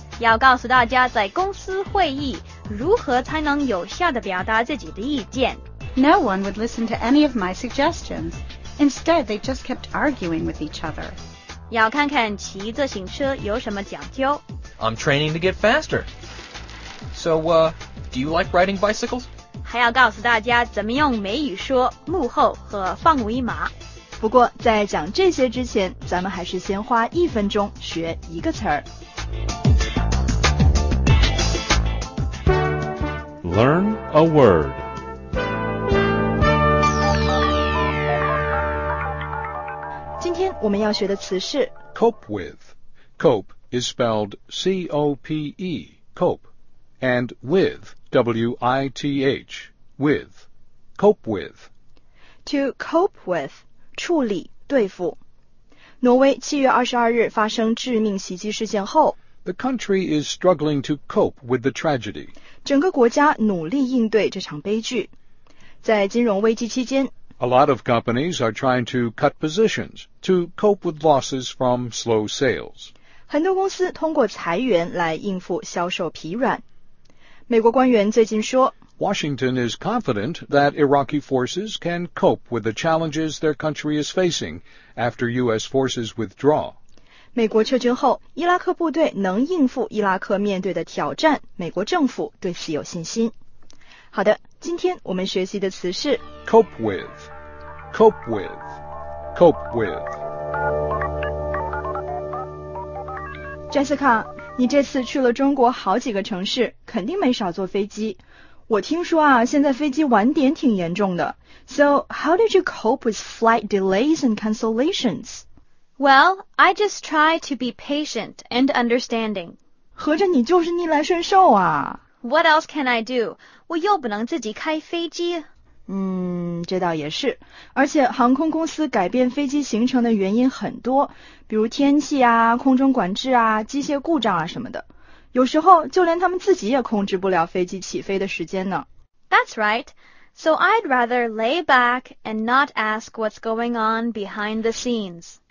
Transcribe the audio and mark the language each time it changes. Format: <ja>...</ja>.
<zh>要告诉大家在公司会议如何才能有效地表达自己的意见。</zh> <en>No one would listen to any of my suggestions. Instead, they just kept arguing with each other.</en> <zh>要看看骑自行车有什么讲究。</zh> <en>I'm training to get faster. So, do you like riding bicycles?</en> <zh>还要告诉大家怎么用美语说幕后和放尾马。不过在讲这些之前，咱们还是先花一分钟学一个词儿。</zh> <en>Learn a word.</en> <zh>今天我们要学的词是</zh> <en>cope with. Cope is spelled C-O-P-E, cope, and with, W-I-T-H, with, cope with. To cope with.</en> <zh>处理对付挪威7月22日发生致命袭击事件后</zh> <en>The country is struggling to cope with the tragedy</en> <zh>整个国家努力应对这场悲剧在金融危机期间</zh> <en>A lot of companies are trying to cut positions to cope with losses from slow sales</en> <zh>很多公司通过裁员来应付销售疲软美国官员最近说</zh> <en>Washington is confident that Iraqi forces can cope with the challenges their country is facing after U.S. forces withdraw.</en> <zh>美国撤军后，伊拉克部队能应付伊拉克面对的挑战，美国政府对此有信心。好的，今天我们学习的词是</zh> <en>cope with, cope with, cope with.</en> <zh>Jessica, 你这次去了中国好几个城市，肯定没少坐飞机。我听说啊，现在飞机晚点挺严重的。</zh> <en>So, how did you cope with flight delays and cancellations? Well, I just try to be patient and understanding.</en> <zh>合着你就是逆来顺受啊。</zh> <en>What else can I do?</en> <zh>我又不能自己开飞机。这倒也是。而且航空公司改变飞机行程的原因很多，比如天气啊、空中管制啊、机械故障啊什么的。有时候就连他们自己也控制不了飞机起飞的时间呢。</zh> <en>That's right. So I'd rather lay back and not ask what's going on behind the scenes.</en>